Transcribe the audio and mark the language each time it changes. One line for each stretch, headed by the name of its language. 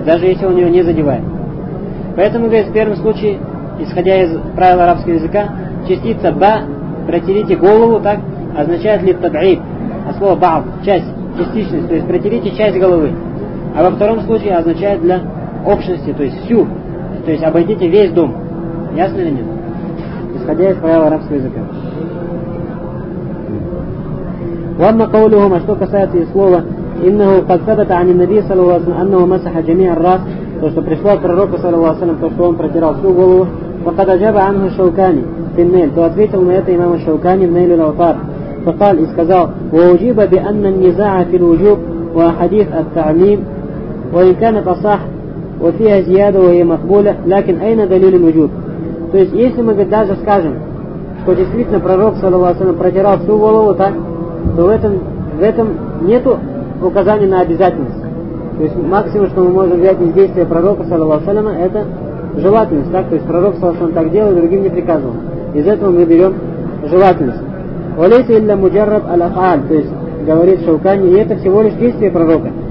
Russian: Даже если он ее не задевает. Поэтому, говорит, в первом случае, исходя из правил арабского языка, частица ба, протерите голову, так, означает ли табаид. А слово баал, часть, частичность, то есть протерите часть головы. А во втором случае означает для общности, то есть всю. То есть обойдите весь дом. Ясно ли нет? Исходя из правил арабского языка. Ладно,
Arabic: قولهم,
Russian: а что касается их слова,
Arabic: إِنَّهُ قَدْ ثَبَتَ عَنِ النَّبِيِّ صَلَى اللَّهُ عَلَيْهِ وَسَلَّمَ أَنَّهُ مَسَحَ جَمِيعَ الرَّأْسِ,
Russian: то, что пришло от пророка,
Arabic: صلى الله عليه وسلم,
Russian: то, что он протирал всю голову,
Arabic: وَقَدْ أَجَابَ عَنْهُ الشَّوْكَانِ فِي النَّيْلِ,
Russian: то ответил на это имам
Arabic: الشَّوْكَانِ в نَيْلِ الْأَوْطَارِ, فقال,
Russian: и сказал,
Arabic: وَأُجِيبَ بِأَنَّ النِّزَاعَ فِي الْوُجُوبِ وَأَحَادِيثَ التَّعْمِيمِ وَإِنْ كَانَتْ أَصَحَّ وَفِيهَا زِيَادَةٌ وَهِيَ مَقْبُولَةٌ لَكِنْ أَيْنَ دَلِيلُ الْوُجُوبِ,
Russian: то есть если мы даже скажем, что действительно пророк, صلى الله عليه وسلم, протирал всю голову, так, то в этом нету указания на обязательность. То есть максимум, что мы можем взять из действия пророка, саллаллаху алейхи ва саллям, это желательность, так? То есть пророк, саллаллаху алейхи ва саллям, так делал, другим не приказывал. Из этого мы берем желательность.
Arabic: «Валейса илля муджарраб аль-афааль»,
Russian: то есть говорит Шаукани, и это всего лишь действие пророка.